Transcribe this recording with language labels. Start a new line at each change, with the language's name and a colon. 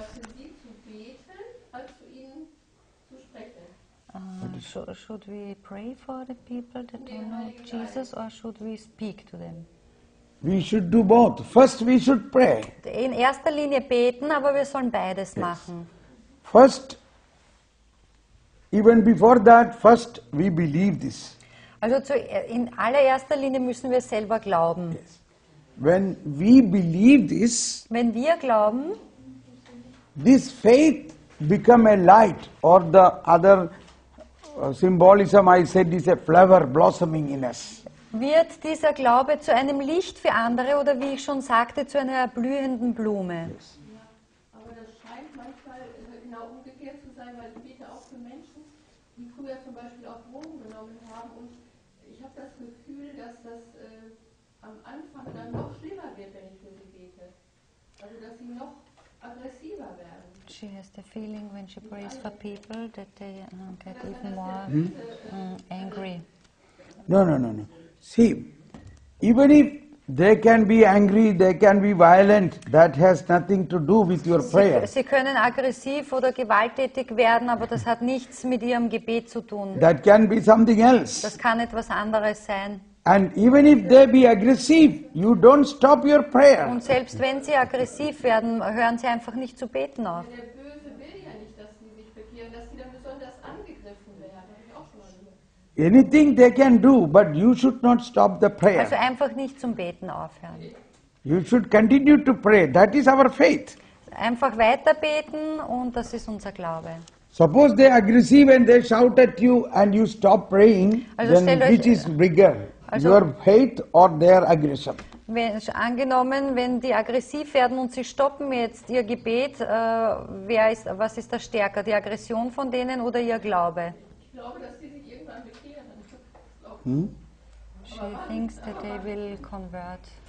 German: für sie zu beten als für ihn zu sprechen.
English: Should we pray for the people that don't know Jesus, or should we speak to them? We should do both. First, we should pray.
German: In erster Linie beten, aber wir sollen beides machen.
English: First, even before that, first we believe this.
German: Also in allererster Linie müssen wir selber glauben.
English: Yes. When we believe this,
German: wenn wir glauben,
English: this faith become a light, or the other symbolism I said is a flower blossoming in us.
German: Wird dieser Glaube zu einem Licht für andere oder, wie ich schon sagte, zu einer blühenden Blume? Ja, aber das scheint manchmal genau umgekehrt zu sein, weil ich bete auch für Menschen, die früher zum Beispiel auch Drogen genommen haben. Und ich habe das Gefühl, dass das am Anfang dann noch schlimmer wird, wenn ich für sie bete. Also, dass sie noch aggressiver werden.
English: She has the feeling when she prays for people that they get even more angry. No. See, even if they can be angry, they can be violent, that has nothing to do with your prayer.
German: Sie können aggressiv oder gewalttätig werden, aber das hat nichts mit ihrem Gebet zu tun.
English: That can be something else.
German: Das kann etwas anderes sein.
English: And even if they be aggressive, you don't stop your prayer.
German: Und selbst wenn sie aggressiv werden, hören sie einfach nicht zu beten auf. Der Böse will ja nicht, dass sie sich bekehren, dass sie dann besonders angegriffen werden.
English: Anything they can do, but you should not stop the prayer.
German: Also einfach nicht zum Beten aufhören.
English: You should continue to pray. That is our faith.
German: Einfach weiter beten, und das ist unser Glaube.
English: Suppose they aggressive and they shout at you and you stop praying,
German: also
English: then which is bigger?
German: Also,
English: your faith or their aggression?
German: Wenn, angenommen, wenn die aggressiv werden und sie stoppen jetzt ihr Gebet, was ist da stärker, die Aggression von denen oder ihr Glaube? Ich glaube, dass sie sich irgendwann bekehren.
English: She thinks that they will convert.